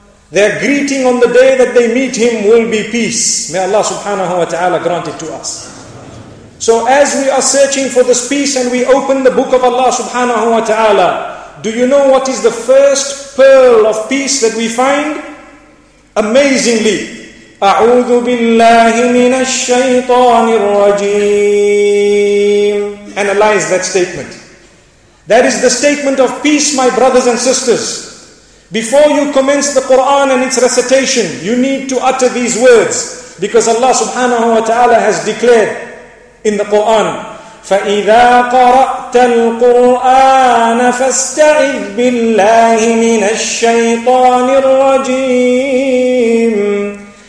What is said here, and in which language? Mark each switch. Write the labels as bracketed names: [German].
[English] Their greeting on the day that they meet Him will be peace. May Allah subhanahu wa ta'ala grant it to us. So as we are searching for this peace and we open the book of Allah subhanahu wa ta'ala, do you know what is the first pearl of peace that we find? Amazingly, [Arabic] أعوذ بالله من الشيطان الرجيم. [English] Analyze that statement. That is the statement of peace, my brothers and sisters. Before you commence the Quran and its recitation, you need to utter these words, because Allah subhanahu wa ta'ala has declared in the Quran, [Arabic] فَإِذَا قَرَأْتَ الْقُرْآنَ فَاسْتَعِذْ بِاللَّهِ مِنَ الشَّيْطَانِ الرَّجِيمِ.